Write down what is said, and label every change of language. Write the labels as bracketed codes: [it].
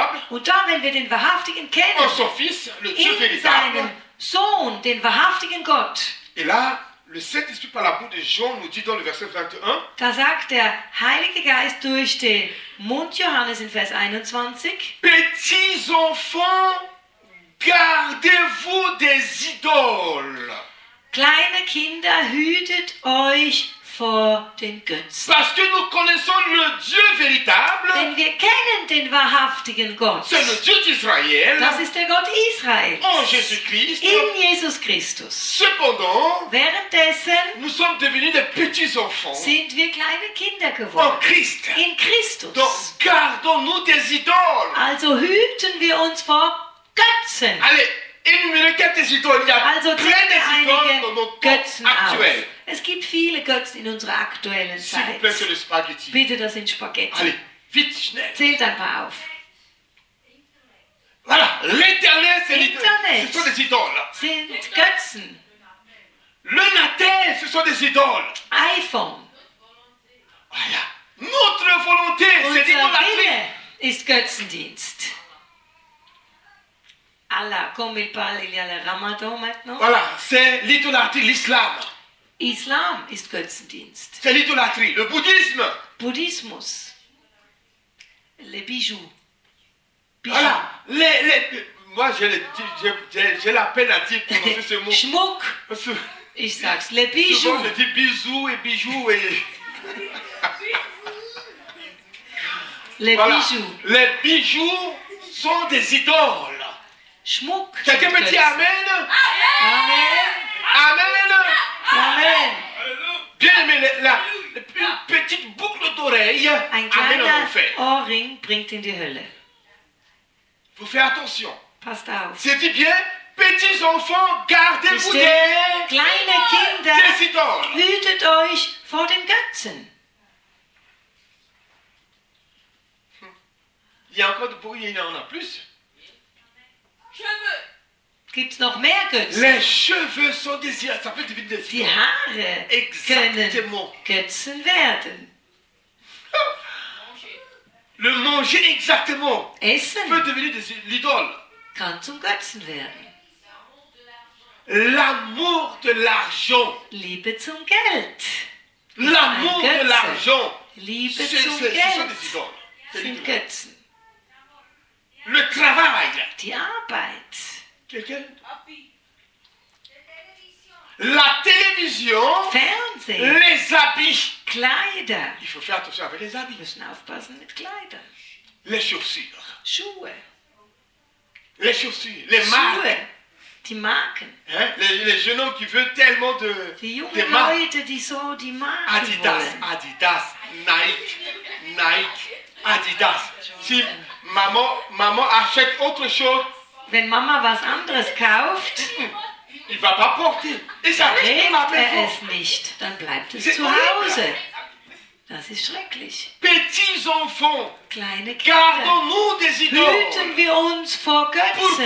[de] Und da, wenn wir den Wahrhaftigen kennen, in seinem Sohn, den wahrhaftigen Gott, [fr] et là, le Saint-Esprit par la bouche de Jean nous dit dans le verset 21. [de] Da sagt der Heilige Geist durch den Mund Johannes in Vers 21. [fr] Petits enfants, gardez-vous des idoles. [de] Kleine Kinder, hütet euch vor den Götzen. [fr] Parce que nous connaissons le Dieu véritable. [de] Denn wir kennen den wahrhaftigen Gott. [fr] C'est le Dieu d'Israël. [de] Das ist der Gott Israels. [fr] En Jésus-Christ. [de] In Jesus Christus. [fr] Cependant, [de] währenddessen, [fr] nous sommes devenus des petits enfants. [de] Sind wir kleine Kinder geworden. [fr] En Christ. [de] In Christus. [fr] Donc, gardons-nous des idoles. [de] Also hüten wir uns vor Götzen. [fr] Allez, énumérez quelques idoles. Il y a [de] also, [fr] plein des idoles dans notre [de] Götzen [fr] temps actuel. [de] Auf. Es gibt viele Götzen in unserer aktuellen Zeit. [fr] S'il vous plaît, [de] bitte, das sind Spaghetti. [fr] Allez, vite, [de] schnell. Zählt ein paar auf. [fr] Voilà, l'Internet, c'est [de] Internet. [fr] Ce sont des idoles. [de] Sind Götzen. [fr] Le Natel, ce sont des idoles. iPhone. Voilà. Notre volonté, c'est idolâtrie. [de] Unser Wille ist Götzendienst. [fr] Allah, comme il parle, il y a le Ramadan maintenant. Voilà, c'est l'idolâtrie, l'islam. [de] Islam ist Götzendienst. [fr] C'est l'idolâtrie, le bouddhisme. Bouddhismus. Les bijoux. Voilà. Moi, j'ai la peine à dire prononcer ce mot. [de] Schmuck. Ich sag's. [fr] Les bijoux. Souvent, je dis bisous et bijoux et. Les voilà. Bijoux. Les bijoux sont des idoles. [de] Schmuck. [fr] Quelqu'un me dit amen. Amen. Amen. Amen. Amen. Bien aimé, la petite boucle d'oreille amène en enfer. [de] Ohrring bringt in die Hölle. [fr] Vous faites attention. [de] Passt auf. [fr] C'est dit bien, petits enfants, gardez-vous des. [de] Kleine Kinder, [fr] des idoles. [de] Hütet euch vor den Götzen. [fr] Il y a encore de bruit, il y en a plus. Cheveux. [de] Gibt es noch mehr Götzen? [fr] Les cheveux sont des idoles. Ça peut devenir des idoles. [de] Die Haare [fr] exactement. [de] Können Götzen werden. [fr] Le manger exactement. [de] Essen [fr] peut devenir des idoles. [de] Kann zum Götzen werden. [fr] L'amour de l'argent. [de] Liebe zum Geld. [fr] L'amour de l'argent. [de] Liebe [fr] c'est, [de] zum [fr] c'est, [de] Geld. [fr] Ce sont des idoles. [de] Sind Götzen. [fr] Le travail. [de] Die Arbeit. [fr] Quelqu'un? La télévision, [de] Fernsehen, [fr] les habits, [de] Kleider. [fr] Il faut faire attention avec les habits. [de] Müssen aufpassen mit Kleidern. [fr] Les chaussures. [de] Schuhe. [fr] Les chaussures, les marques. [de] Die Marken. [fr] Les jeunes hommes qui veulent tellement de [de] die jungen Leute, die so die Marken Adidas, wollen. Adidas, Nike, Nike, Adidas. [fr] Si maman achète autre chose, [de] wenn Mama was anderes kauft, [fr] il va pas porter. [de] Trägt er es nicht, dann bleibt es zu Hause. Das ist schrecklich. [fr] Petits enfants, [de] kleine Kinder, hüten wir uns vor Götzen.